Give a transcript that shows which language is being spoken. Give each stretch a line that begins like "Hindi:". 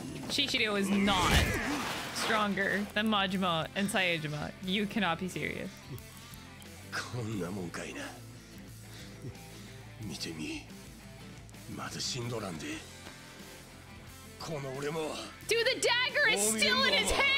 English: Shishido is not stronger than Majima and Sayajima. You cannot be serious.
Japanese: こんなもんかいな見てみ、まだ死んどらんで。この俺も。
English: Dude, the dagger is still in his hand!